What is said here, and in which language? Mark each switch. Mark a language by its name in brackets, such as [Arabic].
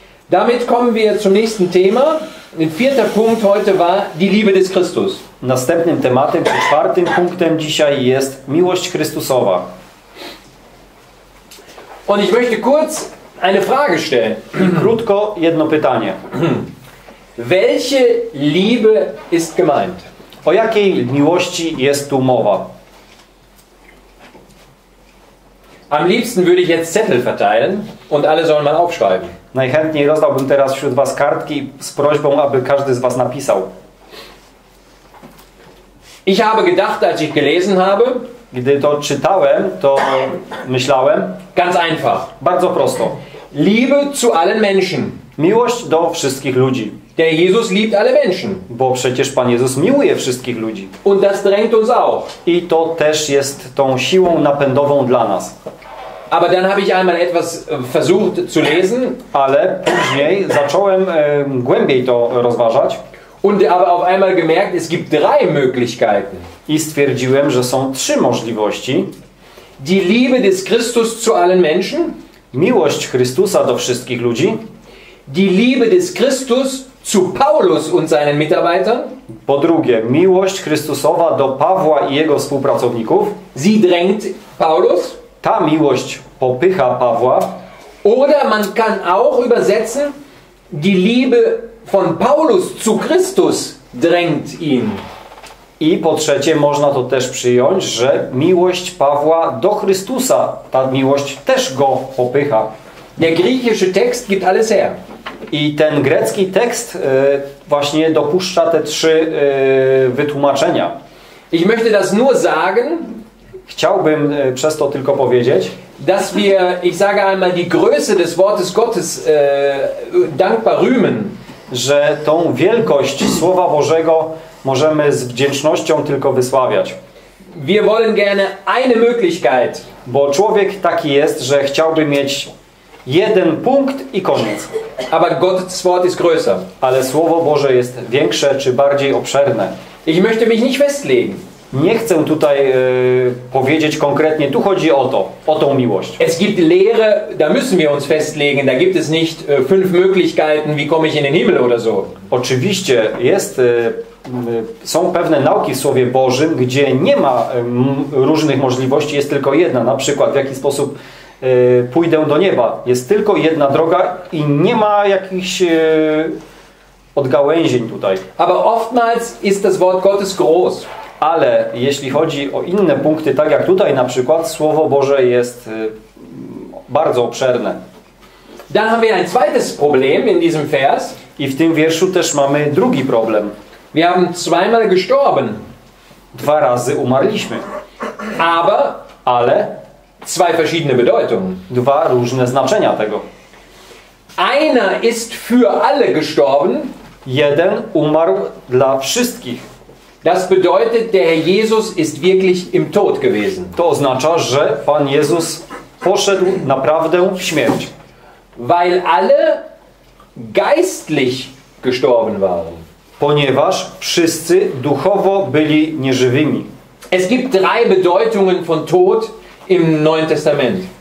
[German] Damit kommen wir zum nächsten Thema. Vierter Punkt heute war die Liebe des Christus. [Polish] Następnym tematem, czy czwartym punktem dzisiaj jest miłość Chrystusowa. [German] Und ich möchte kurz eine Frage stellen. [Polish] Krótko jedno pytanie. [German] Welche Liebe ist gemeint? [Polish] O jakiej miłości jest tu mowa? [German] Am liebsten würde ich jetzt Zettel verteilen und alle sollen mal aufschreiben. [Polish] Najchętniej rozdałbym teraz wśród was kartki z prośbą, aby każdy z was napisał. [German] Ich habe gedacht, als ich gelesen habe, [Polish] gdy to czytałem, to myślałem, [German] ganz einfach, [Polish] bardzo prosto. [German] Liebe zu allen Menschen. [Polish] Miłość do wszystkich ludzi. [German] Der Jesus liebt alle Menschen. [Polish] Bo przecież Pan Jezus miłuje wszystkich ludzi. [German] Und das drängt uns auch. [Polish] I to też jest tą siłą napędową dla nas. [German] Aber dann habe ich einmal etwas versucht zu lesen. [Polish] Ale później zacząłem głębiej to rozważać. [German] Und aber auf einmal gemerkt, es gibt drei Möglichkeiten. [Polish] I stwierdziłem, że są trzy możliwości. [German] Die Liebe des Christus zu allen Menschen. [Polish] Miłość Chrystusa do wszystkich ludzi. [German] Die Liebe des Christus zu Paulus und seinen Mitarbeitern. [Polish] Po drugie, miłość Chrystusowa do Pawła i jego współpracowników. [German] Sie drängt Paulus. [Polish] Ta miłość popycha Pawła. [German] Oder man kann auch übersetzen, die Liebe von Paulus zu Christus drängt ihn. [Polish] I po trzecie, można to też przyjąć, że miłość Pawła do Chrystusa, ta miłość też go popycha. [German] Der griechische Text gibt alles her. [Polish] I ten grecki tekst właśnie dopuszcza te trzy wytłumaczenia. [German] Ich möchte das nur sagen, [Polish] chciałbym przez to tylko powiedzieć, [German] dass wir, ich sage einmal, die Größe des Wortes Gottes dankbar rühmen, [Polish] że tą wielkość Słowa Bożego możemy z wdzięcznością tylko wysławiać. [German] Wir wollen gerne eine Möglichkeit. [Polish] Bo człowiek taki jest, że chciałby mieć Jeden punkt i koniec. [German] Aber Gottes Wort ist größer. [Polish] Ale Słowo Boże jest większe czy bardziej obszerne. [German] Ich möchte mich nicht festlegen. [Polish] Nie chcę tutaj powiedzieć konkretnie, tu chodzi o to, o tą miłość. [German] Es gibt Lehre, da müssen wir uns festlegen, da gibt es nicht fünf Möglichkeiten, wie komme ich in den Himmel oder so. [Polish] Oczywiście jest, są pewne nauki w Słowie Bożym, gdzie nie ma różnych możliwości, jest tylko jedna, na przykład w jaki sposób pójdę do nieba. Jest tylko jedna droga i nie ma jakichś odgałęzień tutaj. [German] Aber oftmals ist das Wort Gottes groß. [Polish] Ale jeśli chodzi o inne punkty, tak jak tutaj na przykład, Słowo Boże jest bardzo obszerne. [German] Dann haben wir ein zweites Problem in diesem Vers. [Polish] I w tym wierszu też mamy drugi problem. [German] Wir haben zweimal gestorben. [Polish] Dwa razy umarliśmy. [German] Aber, [Polish] ale [German] zwei verschiedene Bedeutungen. [Polish] Dwa różne znaczenia tego. [German] Einer ist für alle gestorben. [Polish] Jeden umarł dla wszystkich. [German] Das bedeutet, der Herr Jesus ist wirklich im Tod gewesen. [Polish] To oznacza, że Pan Jezus poszedł naprawdę w śmierć. [German] Weil alle geistlich gestorben waren. [Polish] Ponieważ wszyscy duchowo byli nieżywymi. [German] Es gibt drei Bedeutungen von Tod im Neuen Testament.